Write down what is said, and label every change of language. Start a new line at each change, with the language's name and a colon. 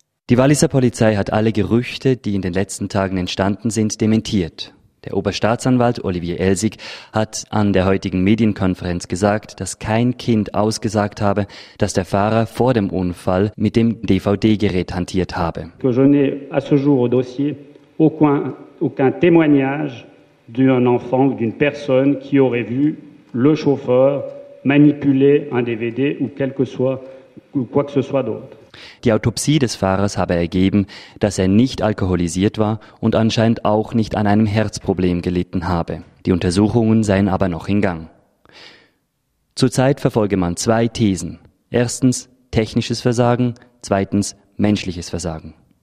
German: Die Walliser Polizei hat alle Gerüchte, die in den letzten Tagen entstanden sind, dementiert. Der Oberstaatsanwalt Olivier Elsig hat an der heutigen Medienkonferenz gesagt, dass kein Kind ausgesagt habe, dass der Fahrer vor dem Unfall mit dem DVD-Gerät hantiert habe.
French: Que je n'ai à ce jour au dossier aucun témoignage d'un enfant ou d'une personne qui aurait vu le chauffeur manipuler un DVD ou quel que soit ou quoi que ce soit d'autre.
German: Die Autopsie des Fahrers habe ergeben, dass er nicht alkoholisiert war und anscheinend auch nicht an einem Herzproblem gelitten habe. Die Untersuchungen seien aber noch in Gang. Zurzeit verfolge man zwei Thesen. Erstens technisches Versagen, zweitens menschliches Versagen.